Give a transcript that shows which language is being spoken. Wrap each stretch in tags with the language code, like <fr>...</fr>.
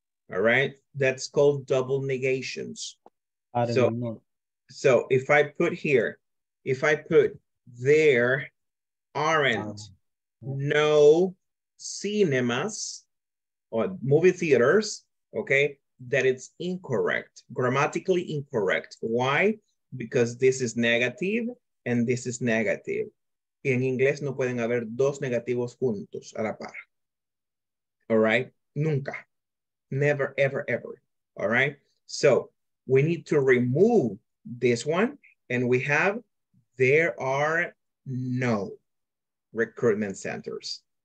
<en>All right, that's called double negations. So if I put here, if I put there aren't no cinemas or movie theaters, okay, that it's incorrect, grammatically incorrect. Why? Because this is negative and this is negative.</en> <es>En inglés no pueden haber dos negativos juntos a la par.</es> <en>All right?</en> <es>Nunca.</es> <en>Never, ever, ever. All right? So we need to remove this one, and we have there are no recruitment centers.</en>